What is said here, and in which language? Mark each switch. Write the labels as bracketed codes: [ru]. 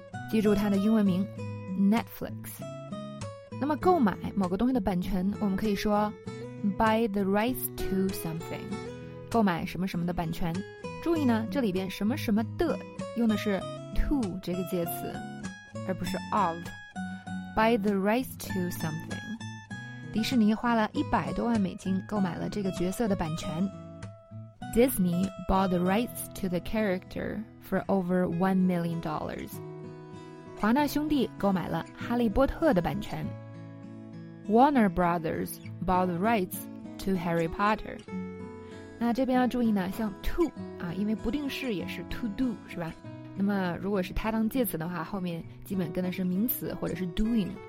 [zh] 记住它的英文名 Netflix。那么购买某个东西的版权，我们可以说 [en] Buy the rights to something， [zh] 购买什么什么的版权。注意呢，这里边什么什么的用的是to 这个介词，而不是 of。 [en] By the rights to something， [zh] 迪士尼花了$1,000,000+购买了这个角色的版权。 [en] Disney bought the rights to the character for over $1,000,000。 [zh] 华纳兄弟购买了哈利波特的版权。 [en] Warner Brothers bought the rights to Harry Potter。 [zh] 那这边要注意呢，像 to 啊，因为不定式也是 to do 是吧？那么如果是他当介词的话，后面基本跟的是名词或者是 doing。